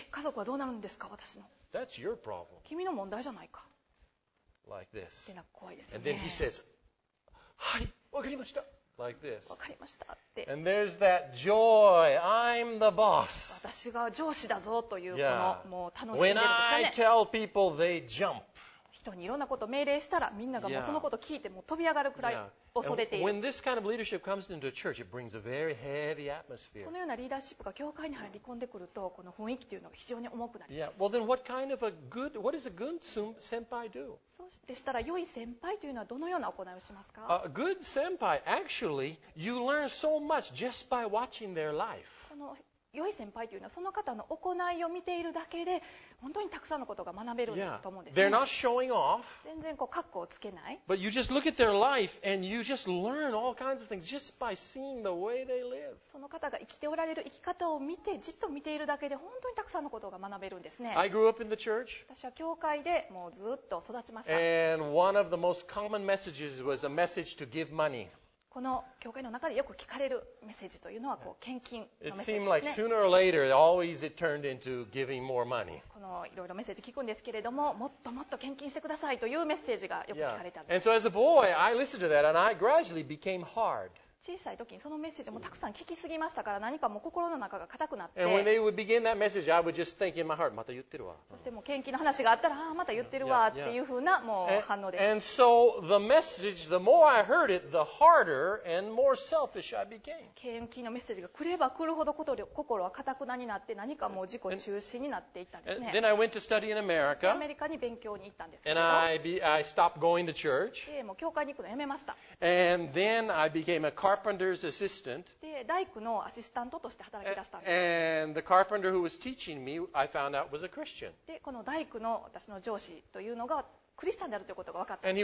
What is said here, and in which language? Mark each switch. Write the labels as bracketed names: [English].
[Japanese] 家族はどうなるんですか私の。 [English] That's your problem. [Japanese] 君の問題じゃないか。 [English] Like this. [Japanese] ってなんか怖いですね。 [English] And then he says, [Japanese] はいわかりました。 [English] Like、this. [Japanese] 分かりましたって。 [English] And there's that joy. I'm the boss. [Japanese] 私が上司だぞというこの、yeah. もう楽しんでるんですよね。 [English] When I tell people, they jump. [Japanese] 人にいろんなことを命令したらみんながもうそのことを聞いてもう飛び上がるくらい恐れている。 [English] When this kind of leadership comes into a church, it brings a very heavy atmosphere. [Japanese] このようなリーダーシップが教会に入り込んでくるとこの雰囲気というのが非常に重くなります。 [English] Yeah. Well, then what kind of a good, what does a good senpai do? [Japanese] そうでしたら良い先輩というのはどのような行いをしますか？ [English] A good senpai, actually, you learn so much just by watching their life. [Japanese] この良い先輩というのはその方の行いを見ているだけで本当にたくさんのことが学べると思うんですね。 [English] Yeah, they're not showing off, [Japanese] 全然こう格好をつけない。 [English] But you just look at their life and you just learn all kinds of things just by seeing the way they live. [Japanese] その方が生きておられる生き方を見てじっと見ているだけで本当にたくさんのことが学べるんですね。 [English] I grew up in the church. [Japanese] 私は教会でもうずっと育ちました。 [English] And one of the most common messages was a message to give money. [Japanese] この教会の中でよく聞かれるメッセージというのはこう献金のメッセージですね。 [English] It seemed like sooner or later, always it turned into giving more money. [Japanese] このいろいろメッセージ聞くんですけれども、もっともっと献金してくださいというメッセージがよく聞かれたんです。 [English] And so as a boy, I listened to that and I gradually became hard. [Japanese] 小さい時にそのメッセージもたくさん聞きすぎましたから何かもう心の中が硬くなって。 [English] And when they would begin that message, I would just think in my heart, [Japanese] また言ってるわ。そしてもう献金の話があったら、ああ、また言ってるわっていうふうなもう反応です。 [English] And so the message, the more I heard it, the harder and more selfish I became. [Japanese] 献金のメッセージが来れば来るほど心は硬くなになって何かもう自己中心になっていったんですね。 [English] Then I went to study in America. [Japanese] アメリカに勉強に行ったんですけ [English] ど。 And I stopped going to church. [Japanese] でもう教会に行くのやめました。 [English] And then I became a carpenter's assistant. [Japanese] で大工のアシスタントとして働き出したんです。 [English] And the carpenter who was teaching me, I found out was a Christian. [Japanese] でこの大工の私の上司というのがクリスチャンであるということが分かったんです